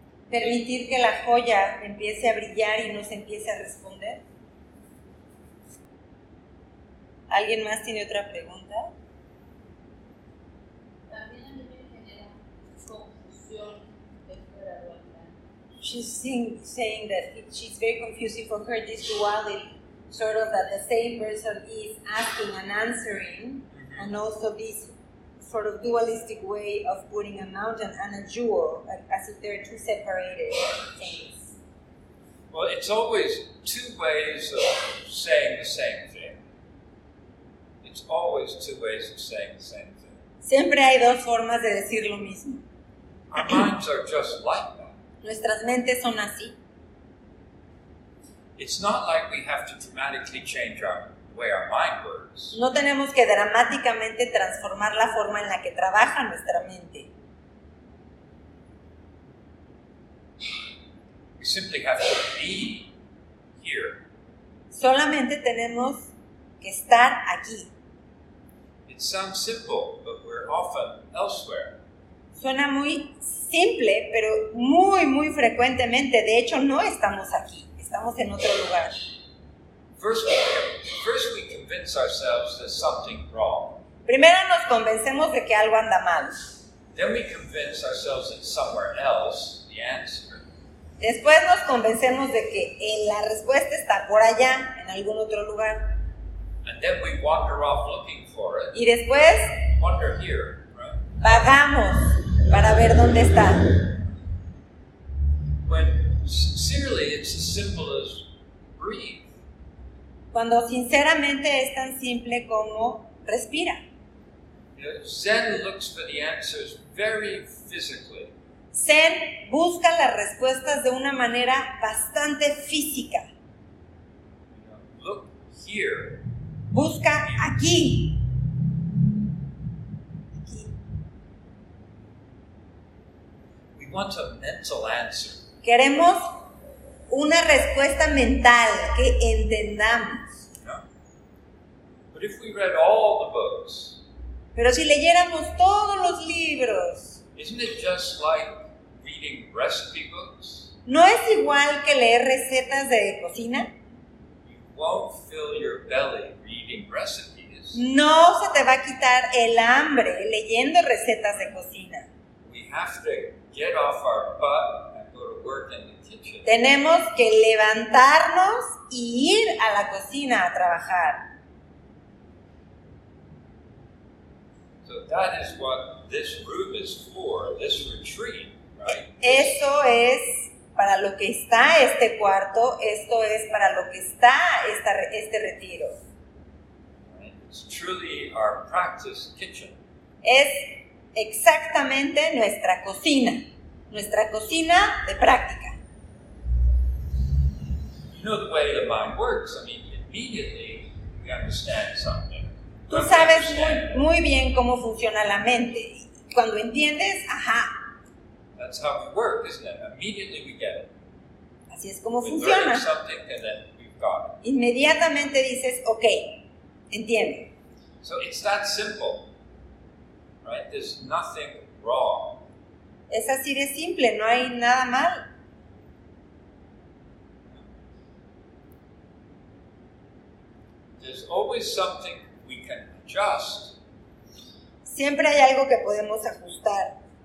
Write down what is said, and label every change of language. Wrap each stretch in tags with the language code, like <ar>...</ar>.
<es>Permitir que la joya empiece a brillar y nos empiece a responder. ¿Alguien más tiene otra pregunta? También a mí me genera confusión después de la dualidad.</es> <en>She's saying that she's very confused for her this duality, sort of that the same person is asking and answering, and also this sort of dualistic way of putting a mountain and a jewel, like, as if they're two separated things. Well, it's always two ways of saying the same thing. It's always two ways of saying the same thing.</en> <es>Siempre hay dos formas de decir lo mismo.</es> <en>Our minds are just like that.</en> <es>Nuestras mentes son así.</es> <en>It's not like we have to dramatically change the way our mind works.</en> <es>No tenemos que dramáticamente transformar la forma en la que trabaja nuestra mente.</es> <en>We simply have to be here.</en> <es>Solamente tenemos que estar aquí.</es> <en>It sounds simple, but we're often elsewhere.</en> <es>Suena muy simple, pero muy, muy frecuentemente. De hecho, no estamos aquí. Estamos en otro lugar.</es> <en>First we convince ourselves there's something wrong.</en> <es>Primero nos convencemos de que algo anda mal.</es> <en>Then we convince ourselves that somewhere else the answer.</en> <es>Después nos convencemos de que la respuesta está por allá, en algún otro lugar.</es> <en>And then we wander off looking for it.</en> <es>Y después,</es> <en>wander here, right?</en> <es>Vagamos para ver dónde está.</es> <en>When sincerely it's as simple as breathe.</en> <es>Cuando sinceramente es tan simple como respira.</es> <en>You know, Zen looks for the answers very physically.</en> <es>Zen busca las respuestas de una manera bastante física.</es> <en>You know, look here.</en> <es>Busca aquí.</es> <en>We want a mental answer.</en> <es>Queremos una respuesta mental que entendamos.</es> <en>But if we read all the books,</en> <es>pero si leyéramos todos los libros,</es> <en>isn't it just like reading recipe books?</en> <es>¿No es igual que leer recetas de cocina?</es> <en>You won't fill your belly. Recipes.</en> <es>No se te va a quitar el hambre leyendo recetas de cocina.</es> <en>We have to get off our butt and go to work in the kitchen.</en> <es>Tenemos que levantarnos y ir a la cocina a trabajar.</es> <en>So that is what this room is for, this retreat, right?</en> <es>Eso es para lo que está este cuarto, esto es para lo que está este retiro.</es> <en>It's truly our practice kitchen.</en> <es>Es exactamente nuestra cocina de práctica.</es> <en>You know the way the mind works. I mean, immediately we understand something.</en> <es>Tú sabes muy bien cómo funciona la mente. Cuando entiendes, ajá.</es> <en>That's how we work, isn't it? Immediately we get it.</en> <es>Así es como funciona.</es> <en>We're learning something and then we've got it.</en> <es>Inmediatamente dices, okay, entiendo.</es> <en>So it's that simple, right? There's nothing wrong.</en> <es>Es así de simple, no hay nada mal.</es> <en>There's always something we can adjust.</en> <es>Siempre hay algo que podemos ajustar.</es>